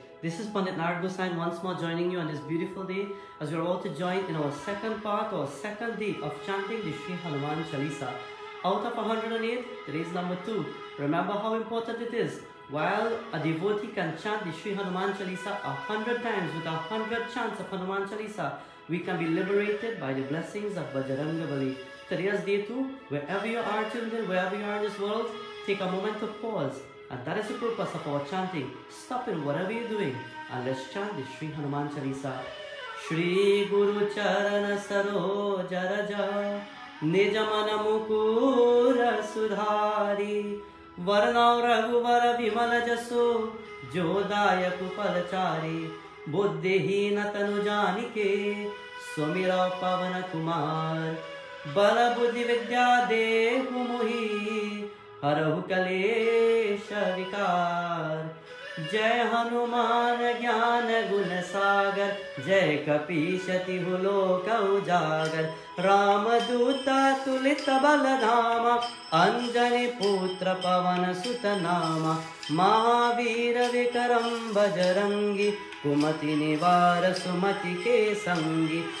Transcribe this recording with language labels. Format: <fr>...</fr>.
<en>This is Pandit Narad Gosain once more joining you on this beautiful day as we are all to join in our second part or second day of chanting the Shri Hanuman Chalisa out of 108 rays number 2। Remember how important it is while a devotee can chant the Shri Hanuman Chalisa 100 times with 100 chants of Hanuman Chalisa we can be liberated by the blessings of Bajrang Bali. Today's day too, wherever you are children, wherever you are in this world, take a moment to pause. And that is the purpose of our chanting. Stop in whatever you're doing and let's chant the Shri Hanuman Chalisa.</en> <awa>Shri Guru Charana Saroja Raja Nijamana Mukura Sudhari Varnau Raghuvara Vimala Jasu Jodaya Kupalachari Buddhihina Tanu Janike Swamira Pavana Kumar बल बुद्धि विद्या देह मोहि हरहु कलेश विकार। जय हनुमान ज्ञान गुण सागर जय कपीश तिहु लोक उजागर। राम दूता तुलित बल धामा अंजनी पुत्र पवन सुत नामा। महावीर विक्रम बजरंगी कुमति निवार सुमति के संगी।</awa>